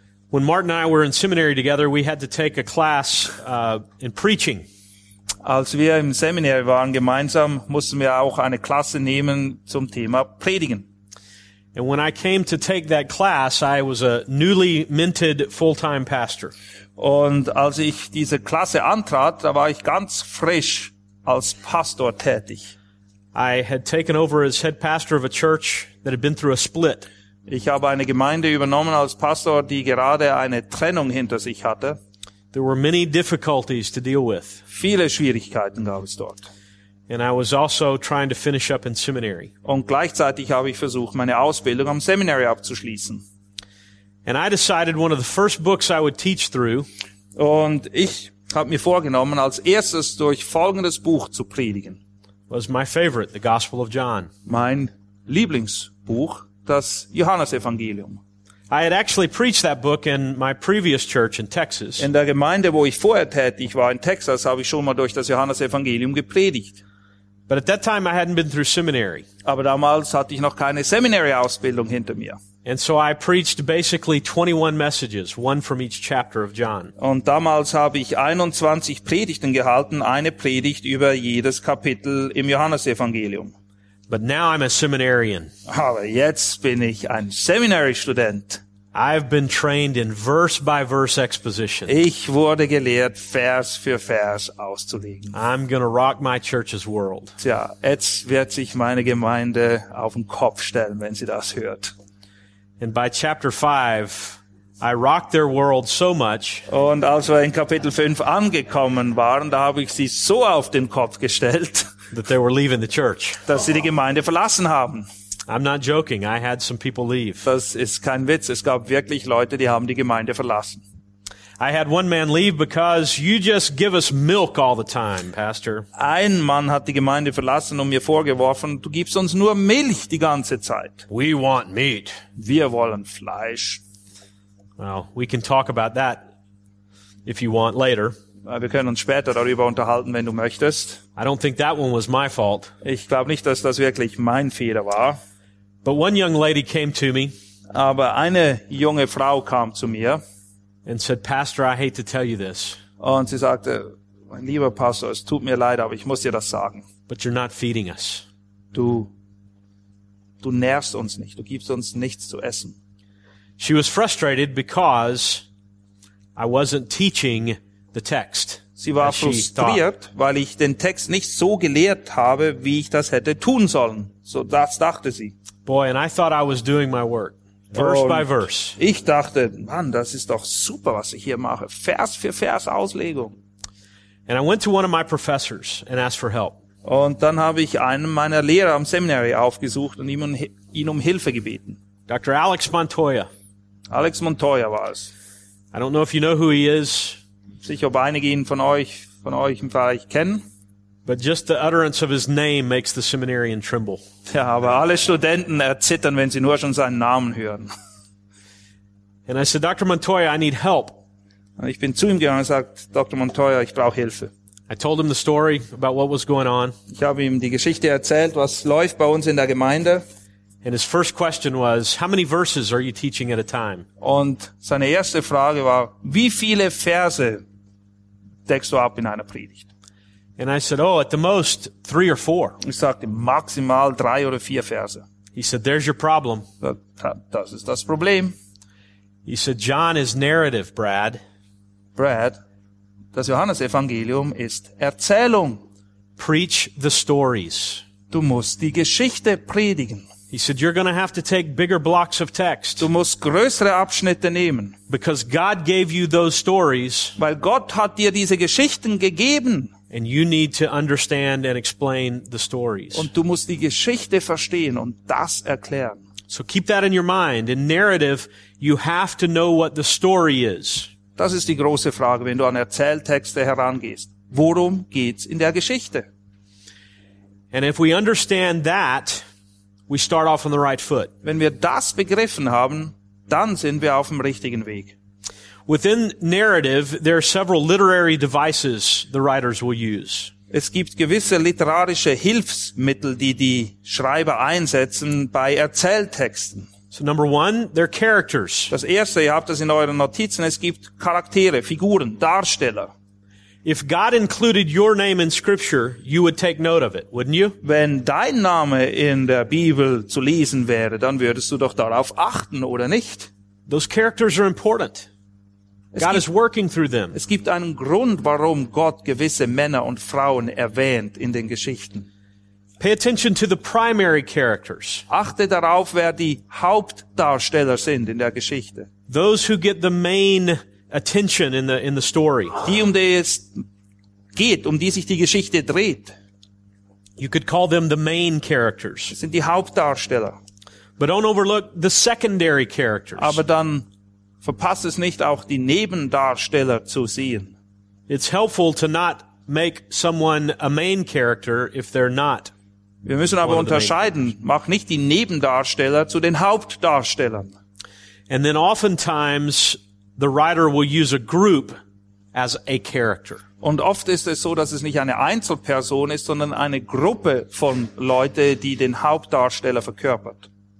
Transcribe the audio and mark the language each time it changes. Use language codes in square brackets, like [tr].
[en] When Martin and I were in seminary together, we had to take a class in preaching. [de] Als wir im Seminar waren gemeinsam, mussten wir auch eine Klasse nehmen zum Thema Predigen. [en] And when I came to take that class, I was a newly minted full-time pastor. [de] Und als ich diese Klasse antrat, da war ich ganz frisch als Pastor tätig. [en] I had taken over as head pastor of a church that had been through a split. [de] Ich habe eine Gemeinde übernommen als Pastor, die gerade eine Trennung hinter sich hatte. [en] There were many difficulties to deal with. [de] Viele Schwierigkeiten gab es dort. [en] And I was also trying to finish up in seminary. [de] Und gleichzeitig habe ich versucht, meine Ausbildung am Seminary abzuschließen. [en] And I decided one of the first books I would teach through. [de] Und ich habe mir vorgenommen, als erstes durch folgendes Buch zu predigen. [en] Was my favorite, the Gospel of John. [de] Mein Lieblingsbuch, das Johannesevangelium. [en] I had actually preached that book in my previous church in Texas. [de] In der Gemeinde, wo ich vorher tätig war, in Texas, habe ich schon mal durch das Johannesevangelium gepredigt. [en] But at that time I hadn't been through seminary. [de] Aber damals hatte ich noch keine Seminary-Ausbildung hinter mir. [en] And so I preached basically 21 messages, one from each chapter of John. [de] Und damals habe ich 21 Predigten gehalten, eine Predigt über jedes Kapitel im Johannesevangelium. [en] But now I'm a seminarian. [de] Aber jetzt bin ich ein Seminary Student. [en] I've been trained in verse by verse exposition. [de] Ich wurde gelehrt, Vers für Vers auszulegen. [en] I'm gonna rock my church's world. [de] Tja, jetzt wird sich meine Gemeinde auf den Kopf stellen, wenn sie das hört. [en] And by chapter 5, I rocked their world so much. [de] Und als wir in Kapitel 5 angekommen waren, da habe ich sie so auf den Kopf gestellt. [en] That they were leaving the church. [de] Dass sie die Gemeinde verlassen haben. [en] I'm not joking. I had some people leave. [de] Das ist kein Witz. Es gab wirklich Leute, die haben die Gemeinde verlassen. [en] I had one man leave because you just give us milk all the time, Pastor. [de] Ein Mann hat die Gemeinde verlassen und mir vorgeworfen, du gibst uns nur Milch die ganze Zeit. [en] We want meat. [de] Wir wollen Fleisch. [en] Well, we can talk about that if you want later. [de] Wir können uns später darüber unterhalten, wenn du möchtest. [en] I don't think that one was my fault. [de] Ich glaube nicht, dass das wirklich mein Fehler war. [en] But one young lady came to me. [de] Aber eine junge Frau kam zu mir. [en] And said, Pastor, I hate to tell you this. [de] Und sie sagte, mein lieber Pastor, es tut mir leid, aber ich muss dir das sagen. [en] But you're not feeding us. [de] Du nährst uns nicht. Du gibst uns nichts zu essen. [en] She was frustrated because I wasn't teaching the text. [de] Sie war frustriert, weil ich den Text nicht so gelehrt habe, wie ich das hätte tun sollen. So das dachte sie. [en] Boy, and I thought I was doing my work, verse by verse. [de] Ich dachte, Mann, das ist doch super, was ich hier mache, Vers für Vers Auslegung. [en] And I went to one of my professors and asked for help. [de] Und dann habe ich einen meiner Lehrer am Seminary aufgesucht und ihn um Hilfe gebeten. [en] Dr. Alex Montoya. [de] Alex Montoya war es. [en] I don't know if you know who he is. [de] Sicher, ob einige ihn von euch vielleicht kennen. [en] But just the utterance of his name makes the seminarian tremble. [de] Ja, aber alle Studenten erzittern, wenn sie nur schon seinen Namen hören. [en] And I said, Dr. Montoya, I need help. [de] Und ich bin zu ihm gegangen und sagte, Dr. Montoya, ich brauche Hilfe. [en] I told him the story about what was going on. [de] Ich habe ihm die Geschichte erzählt, was läuft bei uns in der Gemeinde. [en] And his first question was, how many verses are you teaching at a time? [de] Und seine erste Frage war, wie viele Verse deckst du ab in einer Predigt? [en] And I said, oh, at the most, 3 or 4. [de] Ich sagte, maximal 3 oder 4 Verse. [en] He said, there's your problem. [de] Das ist das Problem. [en] He said, John is narrative, Brad. [de] Brad, das Johannesevangelium ist Erzählung. [en] Preach the stories. [de] Du musst die Geschichte predigen. [en] He said, you're going to have to take bigger blocks of text. [de] Du musst größere Abschnitte nehmen. [en] Because God gave you those stories. [de] Weil Gott hat dir diese Geschichten gegeben. [en] And you need to understand and explain the stories. [de] Und du musst die Geschichte verstehen und das erklären. [en] So keep that in your mind. In narrative, you have to know what the story is. [de] Das ist die große Frage, wenn du an Erzähltexte herangehst. Worum geht's in der Geschichte? [en] And if we understand that, we start off on the right foot. [de] Wenn wir das begriffen haben, dann sind wir auf dem richtigen Weg. [en] Within narrative, there are several literary devices the writers will use. [de] Es gibt gewisse literarische Hilfsmittel, die Schreiber einsetzen bei Erzähltexten. [en] So number one, they're characters. [de] Das erste, ihr habt das in euren Notizen, es gibt Charaktere, Figuren, Darsteller. [en] If God included your name in scripture, you would take note of it, wouldn't you? [de] Wenn dein Name in der Bibel zu lesen wäre, dann würdest du doch darauf achten, oder nicht? [en] Those characters are important. God is working through them. [de] Es gibt einen Grund, warum Gott gewisse Männer und Frauen erwähnt in den Geschichten. [en] Pay attention to the primary characters. [de] Achte darauf, wer die Hauptdarsteller sind in der Geschichte. [en] Those who get the main attention in the story. [de] Die, um die es geht, um die sich die Geschichte dreht. [en] You could call them the main characters. [de] Das sind die Hauptdarsteller. [en] But don't overlook the secondary characters. [de] Aber dann verpasst es nicht, auch die Nebendarsteller zu sehen. [en] It's helpful to not make someone a main character if they're not. [de] Wir müssen aber unterscheiden. Mach nicht die Nebendarsteller zu den Hauptdarstellern. [en] And then oftentimes the writer will use a group as a character. [de] Und oft ist es so, dass es nicht eine Einzelperson ist, sondern eine Gruppe von Leute, die den Hauptdarsteller verkörpert.